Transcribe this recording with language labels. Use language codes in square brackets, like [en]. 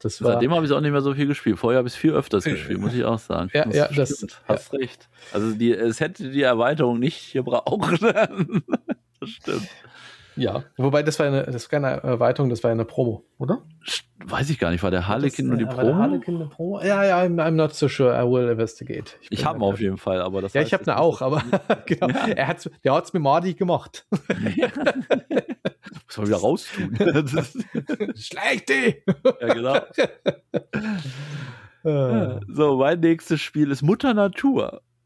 [de] Seitdem habe ich auch nicht mehr so viel gespielt. Vorher habe ich es viel öfters gespielt, muss ich auch sagen. Hast recht. Also es hätte die Erweiterung nicht gebraucht. Das stimmt. Ja, wobei das war keine Erweiterung, das war eine Promo, oder? Weiß ich gar nicht, war der Harlekin nur die Promo? War der Harlekin eine Promo? [en] Ja, ja, I'm not so sure, I will investigate. [de] Ich habe ihn auf jeden Fall, aber das ja, heißt, ich habe ihn auch, aber genau, ja. Der hat es mit Mordi gemacht. Ja. Muss man wieder raus tun. Schlechte! Ja, genau. So, mein nächstes Spiel ist Mutter Natur.